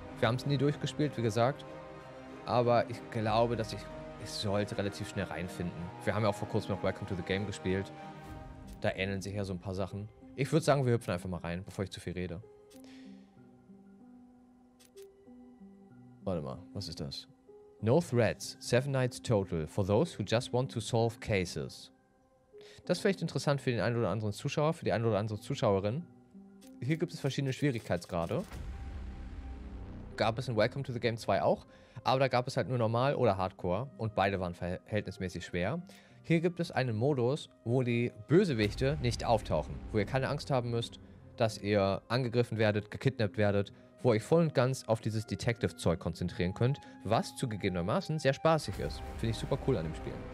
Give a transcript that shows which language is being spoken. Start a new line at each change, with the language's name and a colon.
German: Wir haben es nie durchgespielt, wie gesagt. Aber ich glaube, dass ich sollte relativ schnell reinfinden. Wir haben ja auch vor kurzem noch Welcome to the Game gespielt. Da ähneln sich ja so ein paar Sachen. Ich würde sagen, wir hüpfen einfach mal rein, bevor ich zu viel rede. Warte mal, was ist das?
English: No threats, 7 nights total for those who just want to solve cases.
German: Das ist vielleicht interessant für den einen oder anderen Zuschauer, für die eine oder andere Zuschauerin. Hier gibt es verschiedene Schwierigkeitsgrade. Gab es in Welcome to the Game 2 auch, aber da gab es halt nur normal oder hardcore und beide waren verhältnismäßig schwer. Hier gibt es einen Modus, wo die Bösewichte nicht auftauchen, wo ihr keine Angst haben müsst, dass ihr angegriffen werdet, gekidnappt werdet, wo ihr euch voll und ganz auf dieses Detective-Zeug konzentrieren könnt, was zugegebenermaßen sehr spaßig ist. Finde ich super cool an dem Spiel.